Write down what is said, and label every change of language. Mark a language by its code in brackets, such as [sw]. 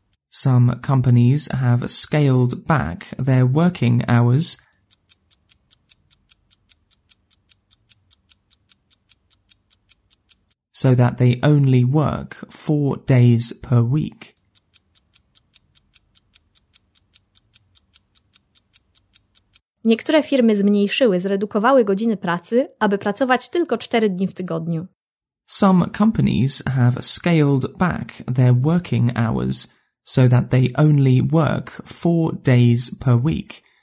[en] Some companies have scaled back their working hours so that they only work 4 days per week. [pl] Niektóre firmy zmniejszyły, zredukowały godziny pracy, aby pracować tylko 4 dni w tygodniu. [en] Some companies have scaled back their working hours so that they only work 4 days per week.